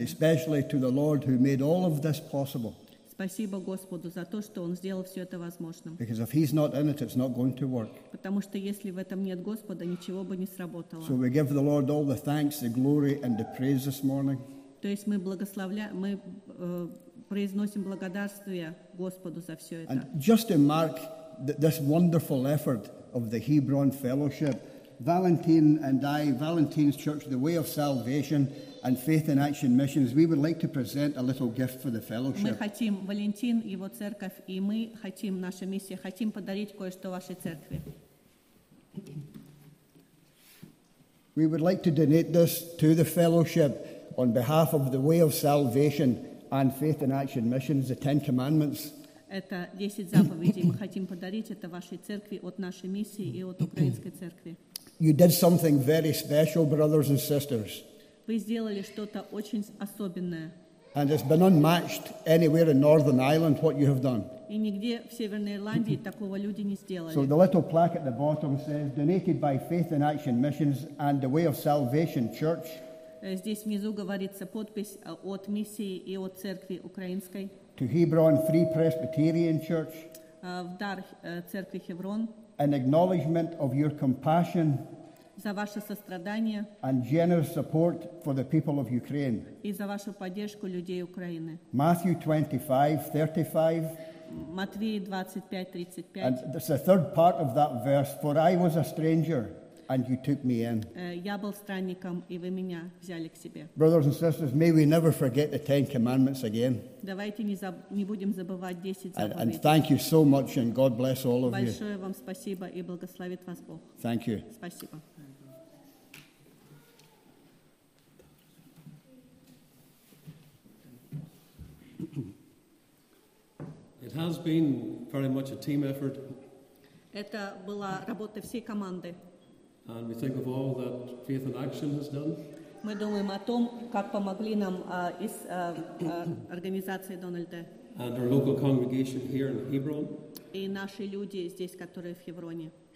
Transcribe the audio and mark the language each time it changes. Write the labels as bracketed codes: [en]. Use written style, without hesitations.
[en] And especially to the Lord who made all of this possible. [ru] Спасибо Господу за то, что Он сделал все это возможным. [en] Because if He's not in it, it's not going to work. [ru] Потому что если в этом нет Господа, ничего бы не сработало. [en] So we give the Lord all the thanks, the glory, and the praise this morning. [ru] То есть мы произносим благодарствие Господу за все это. [en] And just to mark this wonderful effort of the Hebron Fellowship, Valentine and I, Valentine's Church, the Way of Salvation, and Faith in Action Missions, we would like to present a little gift for the fellowship. [ru] Мы хотим, Валентин, его церковь, и мы хотим, наша миссия, хотим подарить кое-что вашей церкви. [en] We would like to donate this to the fellowship on behalf of the Way of Salvation and Faith in Action Missions, the Ten Commandments. [ru] Это 10 заповедей. Мы хотим подарить это вашей церкви от нашей миссии и от украинской церкви. [en] You did something very special, brothers and sisters. [ru] Вы сделали что-то очень особенное. [en] And it's been unmatched anywhere in Northern Ireland what you have done. [ru] И нигде в Северной Ирландии такого люди не сделали. [en] So the little plaque at the bottom says, "Donated by Faith in Action Missions and the Way of Salvation Church." [ru] Здесь внизу говорится подпись от миссии и от церкви украинской. [en] To Hebron Free Presbyterian Church. [ru] В дар церкви Хеврон. [en] An acknowledgement of your compassion [ru] за ваше сострадание [en] and generous support for the people of Ukraine. [ru] И за вашу поддержку людей Украины. [en] Matthew 25:35. [ru] Матвея 25:35. [en] And it's the third part of that verse. For I was a stranger and you took me in. [ru] Я был странником, и вы меня взяли к себе. [en] Brothers and sisters, may we never forget the Ten Commandments again. [ru] Давайте не будем забывать 10 заповедей. [en] And thank you so much, and God bless all of you. [ru] Большое вам спасибо, и благословит вас Бог. [en] Thank you. [ru] Спасибо. [en] It has been very much a team effort. [ru] Это была работа всей команды. [en] And we think of all that Faith in Action has done. [ru] Мы думаем о том, как помогли нам из организации Дональда. [en] And our local congregation here in Hebron. [ru] И наши люди здесь, которые в Хевроне.